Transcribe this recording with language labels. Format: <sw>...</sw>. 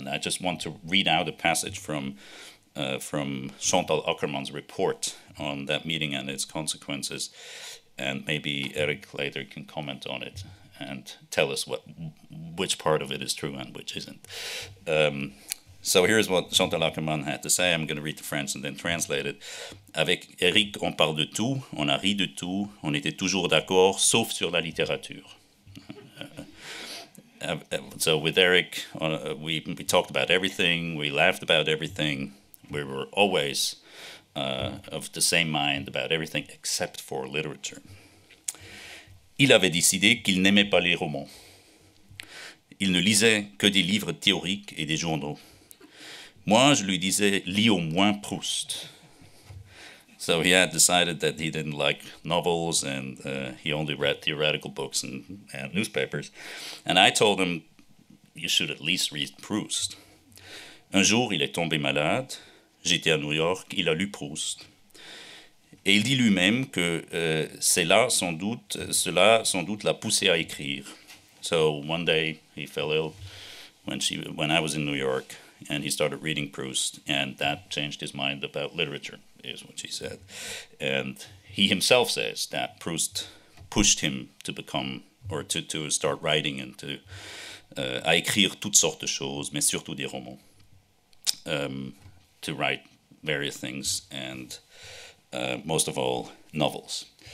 <en>And I just want to read out a passage from Chantal Akerman's report on that meeting and its consequences. And maybe Eric later can comment on it and tell us which part of it is true and which isn't. So here's what Chantal Akerman had to say. I'm going to read the French and then translate it.</en> <fr>Avec Eric, on parle de tout, on a ri de tout, on était toujours d'accord, sauf sur la littérature.</fr> <en>So with Eric, we talked about everything, we laughed about everything, we were always of the same mind about everything except for literature.</en> <fr>Il avait décidé qu'il n'aimait pas les romans. Il ne lisait que des livres théoriques et des journaux. Moi, je lui disais, lis au moins Proust.</fr> <en>So he had decided that he didn't like novels and he only read theoretical books and newspapers. And I told him, you should at least read Proust.</en> <fr>Un jour, il est tombé malade. J'étais à New York, il a lu Proust. Et il dit lui-même que cela sans doute l'a poussé à écrire.</fr> <en>So one day he fell ill when I was in New York, and he started reading Proust, and that changed his mind about literature, is what she said. And he himself says that Proust pushed him to become, or to start writing and to</en> <fr>écrire toutes sortes de choses, mais surtout des romans,</fr> <en>to write various things, and most of all, novels.</en>